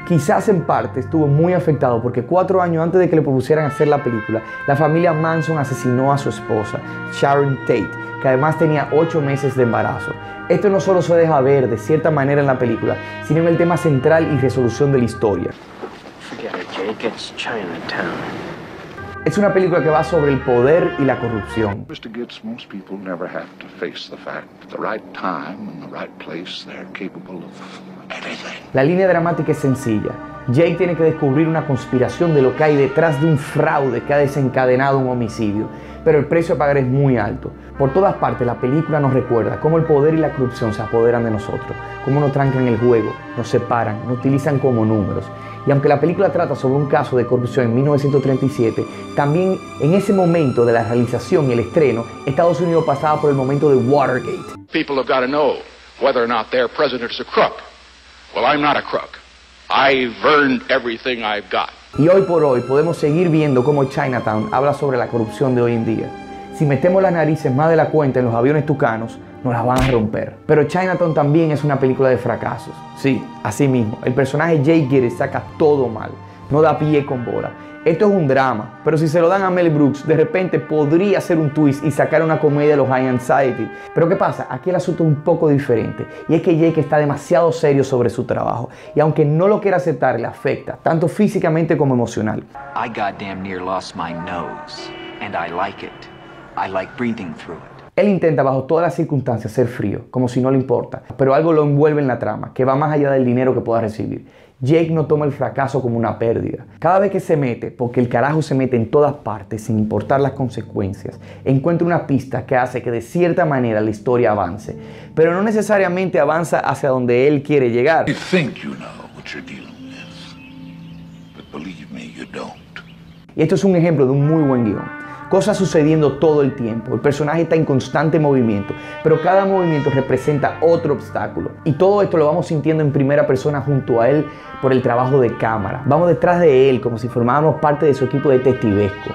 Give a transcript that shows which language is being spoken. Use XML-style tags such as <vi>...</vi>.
<es>Quizás en parte estuvo muy afectado porque 4 años antes de que le propusieran hacer la película, la familia Manson asesinó a su esposa, Sharon Tate, que además tenía 8 meses de embarazo. Esto no solo se deja ver de cierta manera en la película, sino en el tema central y resolución de la historia.</es> <en>Forget it, Jake. It's Chinatown.</en> <es>Es una película que va sobre el poder y la corrupción.</es> <en>Mr. Gitz, most people never have to face the fact. The right time and the right place, they're capable of anything.</en> <es>La línea dramática es sencilla. Jake tiene que descubrir una conspiración de lo que hay detrás de un fraude que ha desencadenado un homicidio. Pero el precio a pagar es muy alto. Por todas partes, la película nos recuerda cómo el poder y la corrupción se apoderan de nosotros, cómo nos trancan el juego, nos separan, nos utilizan como números. Y aunque la película trata sobre un caso de corrupción en 1937, también en ese momento de la realización y el estreno, Estados Unidos pasaba por el momento de Watergate.</es> <en>People have got to know whether or not their president is a crook. Well, I'm not a crook. I've earned everything I've got.</en> <es>Y hoy por hoy podemos seguir viendo cómo Chinatown habla sobre la corrupción de hoy en día. Si metemos las narices más de la cuenta en los aviones tucanos, nos las van a romper. Pero Chinatown también es una película de fracasos. Sí, así mismo. El personaje Jake Gyllenhaal saca todo mal. No da pie con bola. Esto es un drama, pero si se lo dan a Mel Brooks, de repente podría hacer un twist y sacar una comedia de los High Anxiety. Pero ¿qué pasa? Aquí el asunto es un poco diferente, y es que Jake está demasiado serio sobre su trabajo, y aunque no lo quiera aceptar, le afecta, tanto físicamente como emocional.</es> <en>I goddamn near lost my nose, and I like it. I like breathing through it.</en> <es>Él intenta bajo todas las circunstancias ser frío, como si no le importa, pero algo lo envuelve en la trama, que va más allá del dinero que pueda recibir. Jake no toma el fracaso como una pérdida. Cada vez que se mete, porque el carajo se mete en todas partes sin importar las consecuencias, encuentra una pista que hace que de cierta manera la historia avance, pero no necesariamente avanza hacia donde él quiere llegar.</es> <en>You think you know what you're dealing with, but believe me, you don't.</en> <es>Y esto es un ejemplo de un muy buen guión. Cosas sucediendo todo el tiempo, el personaje está en constante movimiento, pero cada movimiento representa otro obstáculo. Y todo esto lo vamos sintiendo en primera persona junto a él por el trabajo de cámara. Vamos detrás de él como si formáramos parte de su equipo de testigo.</es>